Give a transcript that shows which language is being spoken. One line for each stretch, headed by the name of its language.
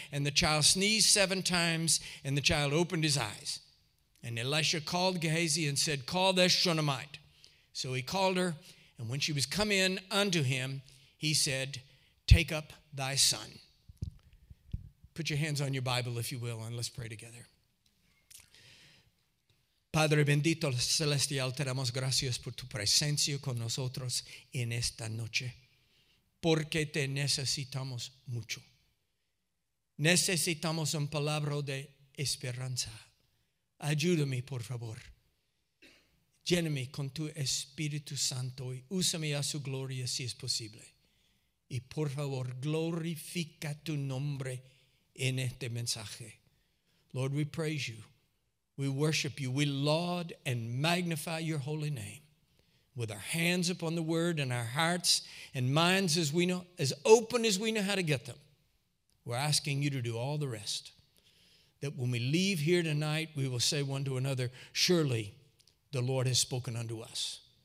English: And the child sneezed 7 times and the child opened his eyes. And Elisha called Gehazi and said, call the Shunammite. So he called her, and when she was come in unto him, he said, take up thy son. Put your hands on your Bible, if you will, and let's pray together.
Spanish: Padre bendito celestial, te damos gracias por tu presencia con nosotros en esta noche. Porque te necesitamos mucho. Necesitamos un palabra de esperanza. Ayúdame, por favor. Lléname con tu Espíritu Santo y úsame a su gloria si es posible. Y por favor, glorifica tu nombre en este mensaje.
English: Lord, we praise you. We worship you. We laud and magnify your holy name. With our hands upon the word and our hearts and minds as we know, as open as we know how to get them, we're asking you to do all the rest. That when we leave here tonight, we will say one to another, surely the Lord has spoken unto us.